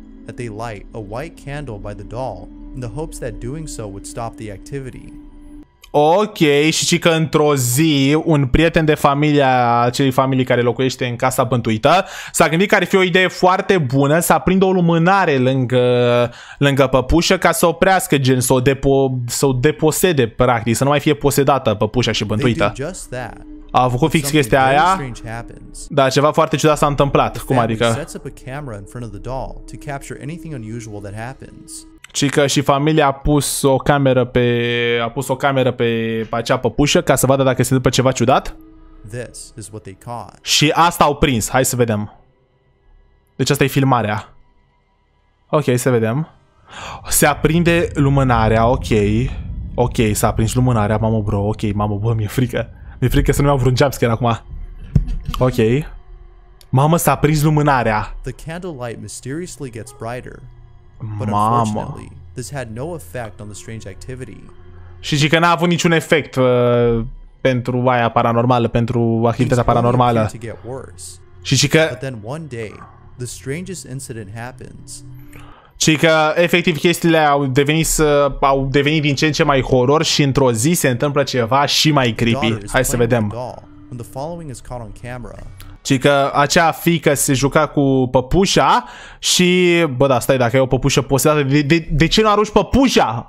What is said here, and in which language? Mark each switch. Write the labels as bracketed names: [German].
[English] That they light a white candle by the doll in the hopes that doing so would stop the activity. [Romanian] Ok, și ci că într-o zi un prieten de familia acelei familii care locuiește în casa bântuită s-a gândit că ar fi o idee foarte bună să aprindă o lumânare lângă păpușă ca să oprească gen, să o deposede practic, să nu mai fie posedată păpușa și bântuită. A făcut fix chestia aia, dar ceva foarte ciudat s-a întâmplat. Cum adică? Ci că și familia a pus o cameră pe acea păpușă ca să vadă dacă se întâmplă ceva ciudat. Și asta au prins. Hai să vedem. Deci asta e filmarea. Ok, să vedem. Se aprinde lumânarea, ok. Ok, s-a prins lumânarea, mamă, bro. Ok, mamă, bă, mi-e frică. Mi-e frică să nu iau vreun jumpscare acum. Ok. Mamă, s-a prins lumânarea. [English] The candlelight mysteriously gets brighter. [Romanian] Mamă. [English] This had no effect on the strange activity. [Romanian] Și zic că n-a avut niciun efect pentru aia paranormală, pentru activitatea paranormală. Și zic că... [English] But then one day, the strangest incident happens. [Romanian] Și că efectiv chestiile au devenit din ce în ce mai horror și într-o zi se întâmplă ceva și mai creepy. Hai să vedem. Și că acea fiică se juca cu păpușa și... Bă, da, stai, dacă ai o păpușă posedată, de ce nu arunci păpușa?